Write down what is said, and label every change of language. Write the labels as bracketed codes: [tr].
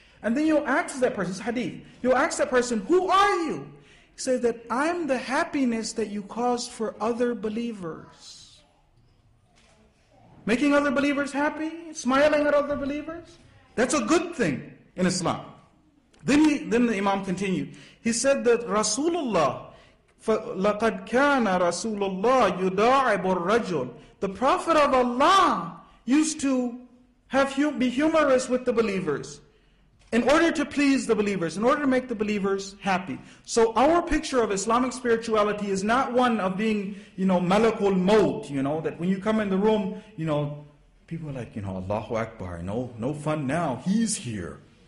[en] And then you'll ask that person, it's hadith, you'll ask that person, who are you? He said that, I'm the happiness that you caused for other believers. Making other believers happy, smiling at other believers, that's a good thing in Islam. Then the Imam continued. He said that [ar] Rasulullah, لَقَدْ كَانَ رَسُولُ اللَّهِ يُدَاعِبُ الرَّجُلِ. [en] The Prophet of Allah used to be humorous with the believers, in order to please the believers, in order to make the believers happy. So our picture of Islamic spirituality is not one of being, you know, malakul maut, you know, that when you come in the room, you know, people are like, you know, Allahu Akbar, no fun now, he's here.